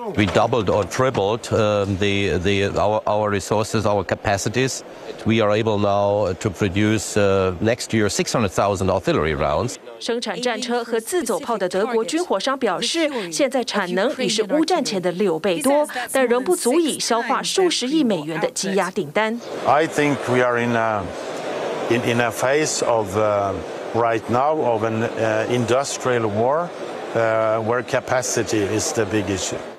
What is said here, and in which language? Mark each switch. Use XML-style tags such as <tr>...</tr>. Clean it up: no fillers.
<en>We doubled or tripled our resources, our capacities. We are able now to produce next year 600,000 artillery rounds.</en> <zh>生产战车和自走炮的德国军火商表示，现在产能已是乌战前的6倍多，但仍不足以消化数十亿美元的积压订单。</zh> <en>I think we are in a phase of right now of an industrial war where capacity is the big issue.</en>